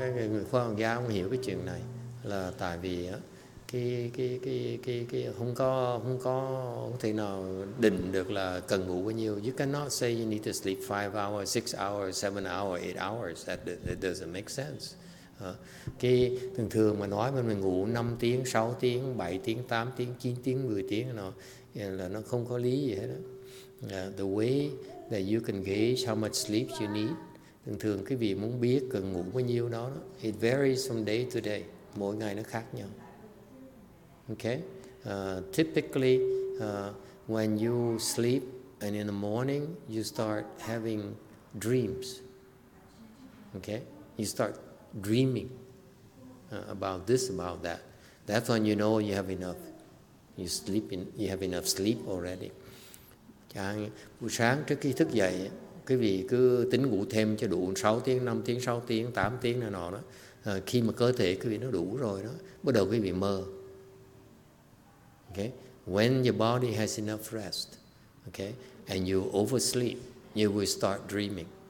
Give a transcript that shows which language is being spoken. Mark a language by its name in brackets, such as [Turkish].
[Vietnamese] Người khoa học gia không hiểu cái chuyện này là tại vì cái không có thể nào định được là cần ngủ bao nhiêu. [English] You cannot say you need to sleep 5 hours, 6 hours, 7 hours, 8 hours. That doesn't make sense. [Vietnamese] Cái thường thường mà nói mà mình ngủ 5 tiếng, 6 tiếng, 7 tiếng, 8 tiếng, 9 tiếng, 10 tiếng là nó không có lý gì hết. [English] The way that you can gauge how much sleep you need, [Vietnamese] thường thường cái vị muốn biết cần ngủ bao nhiêu đó, [English] it varies from day to day. [Vietnamese] Mỗi ngày nó khác nhau. [English] Okay. Typically, when you sleep and in the morning you start having dreams. Okay, you start dreaming about this, about that. That's when you know you have enough. You have enough sleep already. [Vietnamese] Chẳng buổi sáng trước khi thức dậy, quý vị cứ tính ngủ thêm cho đủ 6 tiếng, 5 tiếng, 6 tiếng, 8 tiếng này nọ đó. Khi mà cơ thể quý vị nó đủ rồi đó, bắt đầu quý vị mơ. [English] Okay? When your body has enough rest, okay, and you oversleep, you will start dreaming.